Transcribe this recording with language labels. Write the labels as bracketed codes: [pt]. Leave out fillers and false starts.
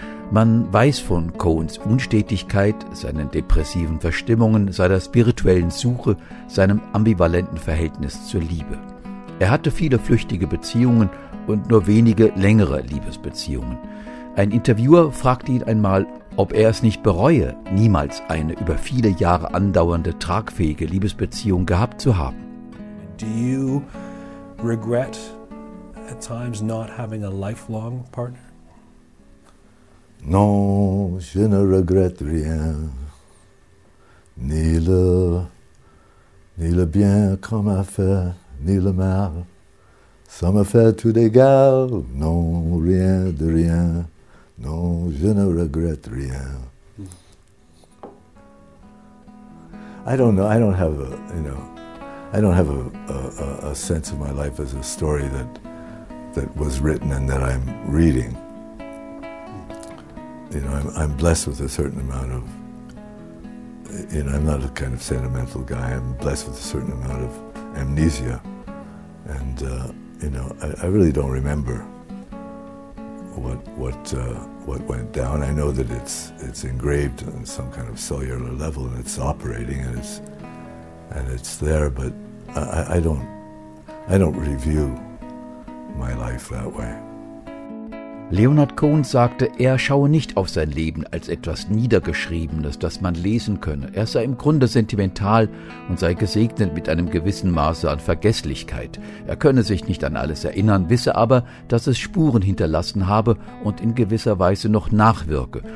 [de] Man weiß von Cohns Unstetigkeit, seinen depressiven Verstimmungen, seiner spirituellen Suche, seinem ambivalenten Verhältnis zur Liebe. Er hatte viele flüchtige Beziehungen und nur wenige längere Liebesbeziehungen. Ein Interviewer fragte ihn einmal, Ob er es nicht bereue, niemals eine über viele Jahre andauernde, tragfähige Liebesbeziehung gehabt zu haben. [en] Do you regret at times not having a lifelong partner? [fr] Non, je ne regrette rien, ni le bien qu'on m'a fait, ni le mal. Ça m'a fait tout égal, non, rien de rien, non, je ne regrette rien. [en] I don't know, I don't have a sense of my life as a story that was written and that I'm reading. You know, I'm blessed with a certain amount of, you know, I'm not a kind of sentimental guy, I'm blessed with a certain amount of amnesia. And, you know, I really don't remember what went down. I know that it's engraved on some kind of cellular level and it's operating and it's there, but I don't review my life that way. [de] Leonard Cohen sagte, er schaue nicht auf sein Leben als etwas Niedergeschriebenes, das man lesen könne. Er sei im Grunde sentimental und sei gesegnet mit einem gewissen Maße an Vergesslichkeit. Er könne sich nicht an alles erinnern, wisse aber, dass es Spuren hinterlassen habe und in gewisser Weise noch nachwirke.